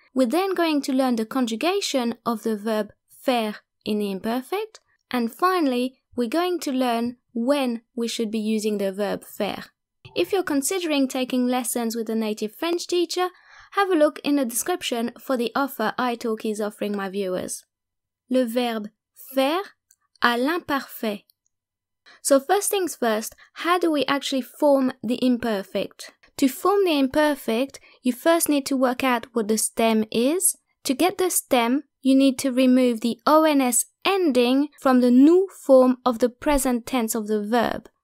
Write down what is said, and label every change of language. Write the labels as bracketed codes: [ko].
[en] We're then going to learn the conjugation of the verb faire in the imperfect. And finally, we're going to learn when we should be using the verb faire. If you're considering taking lessons with a native French teacher, have a look in the description for the offer iTalki is offering my viewers. [fr] Le verbe faire à l'imparfait. [en] So first things first, how do we actually form the imperfect? To form the imperfect, you first need to work out what the stem is. To get the stem, you need to remove the ONS ending from the nous form of the present tense of the verb.